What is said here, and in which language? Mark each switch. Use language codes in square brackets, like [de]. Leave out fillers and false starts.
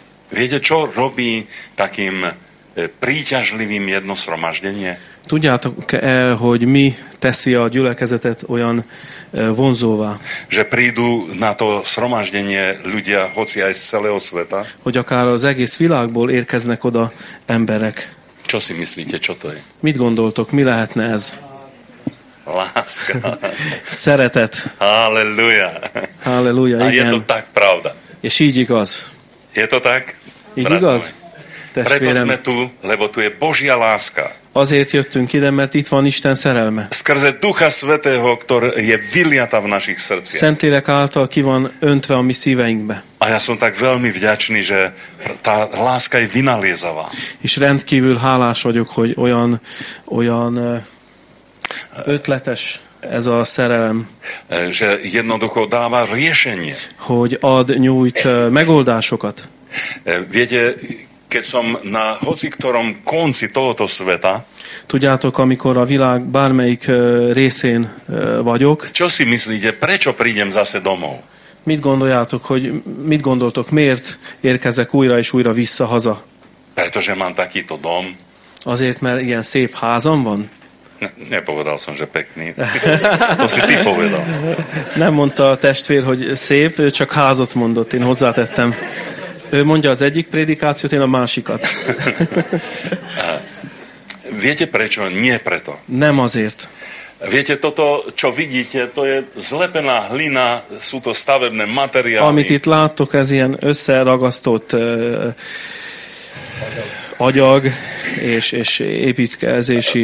[sk] Viete, čo robí takým príťažlivým jedno zhromaždenie? [hu] Tudjátok-e, hogy mi teszi a gyülekezetet olyan vonzóvá? [sk] Že prídu na to zhromaždenie ľudia, hoci aj z celého sveta? [hu] Hogy akár az egész világból érkeznek oda emberek. [sk] Čo si myslíte, čo to je? [hu] Mit gondoltok, mi lehetne ez? [sk] Láska. [hu] Szeretet. Halleluja. Halleluja, a igen. [sk] A je to tak pravda. [hu] És így igaz. [sk] Je to tak? [hu] Így igaz? [sk] Preto sme tu, lebo tu je Božia láska. [hu] Azért jöttünk ide, mert itt van Isten szerelme. [sk] Skrze Ducha Svetého, ktorý je vyliata v našich srdciach. [hu] Szentlélek által ki van öntve a mi szíveinkbe. [sk] A ja som tak veľmi vďačný, že tá láska je vynaliezavá. [hu] És rendkívül hálás vagyok, hogy olyan ötletes ez a szerelem. [sk] Že jednoducho dáva riešenie. [hu] Hogy ad, nyújt megoldásokat. [sk] Viete, keď som na hociktorom konci tohoto sveta, [hu] tudjátok, amikor a világ bármelyik részén vagyok, [sk] čo si myslíte, prečo prídem zase domov? [hu] Mit gondoljátok, hogy mit gondoltok, miért érkezek újra és újra vissza haza? [sk] Pretože mám takýto dom. [hu] Azért, mert ilyen szép házam van? [sk] Nepovedal som, že pekný. To si ty povedal. [hu] Nem mondta a testvér, hogy szép, csak házat mondott, én hozzátettem. Ő mondja az egyik prédikációt, én a másikat. [sk] Viete prečo? Nie preto. [hu] Nem azért. [sk] Viete, toto, čo vidíte, to je zlepená hlina, sú to stavebné materiály. [hu] Amit itt láttok, ez ilyen összeragasztott agyag és építkezési